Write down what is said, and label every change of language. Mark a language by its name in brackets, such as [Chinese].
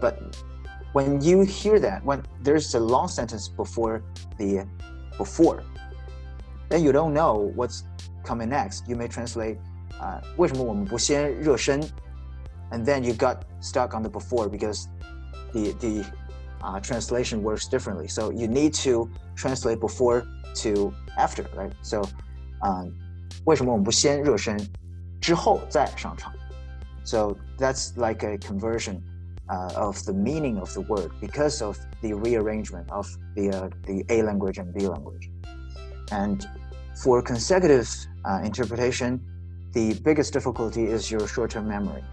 [English] But when you hear that, when there's a long sentence before the before, then you don't know what's coming next. You may translate, [Chinese] 为什么我们不先热身? [English] And then you got stuck on the before because the translation works differently. So you need to translate before to after, right? So, [Chinese] 为什么我们不先热身? 之后再上场。 [English] So that's like a conversion of the meaning of the word because of the rearrangement of the A language and B language. And for consecutive interpretation, the biggest difficulty is your short-term memory.